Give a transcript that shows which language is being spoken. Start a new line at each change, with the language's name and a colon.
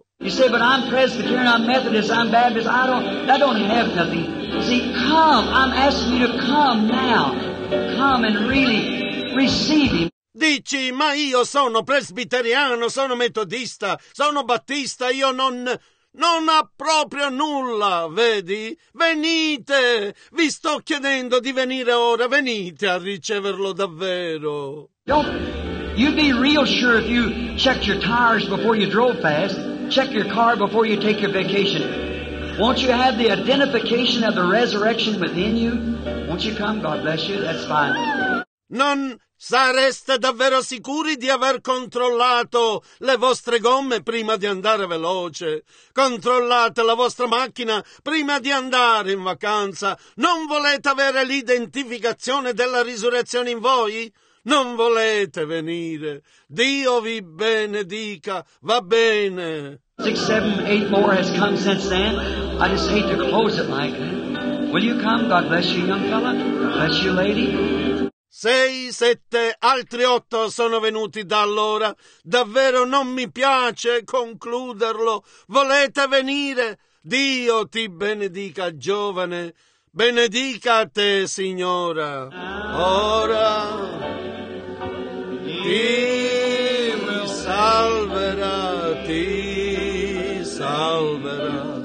English: You say, but I'm Presbyterian, I'm Methodist, I'm Baptist, I don't have nothing. See, come, I'm asking you to come now. Come and really receive him.
Italian: Dici, ma io sono presbiteriano, sono metodista, sono battista, io non ho proprio nulla, vedi? Venite, vi sto chiedendo di venire ora, venite a riceverlo davvero.
English: You'd be real sure if you checked your tires before you drove fast. Check your car before you take your vacation. Won't you have the identification of the resurrection within you? Won't you come? God bless you. That's fine.
Italian: Non sareste davvero sicuri di aver controllato le vostre gomme prima di andare veloce? Controllate la vostra macchina prima di andare in vacanza? Non volete avere l'identificazione della risurrezione in voi? Non volete venire. Dio vi benedica. Va bene.
English: 6, 7, 8 more has come since then. I just hate to close it like that. Will you come? God bless you, young fella. God bless you, lady.
Italian: 6, 7, altri 8 sono venuti da allora. Davvero non mi piace concluderlo. Volete venire? Dio ti benedica, giovane. Benedica te, signora. Ora ti salverà, ti salverà.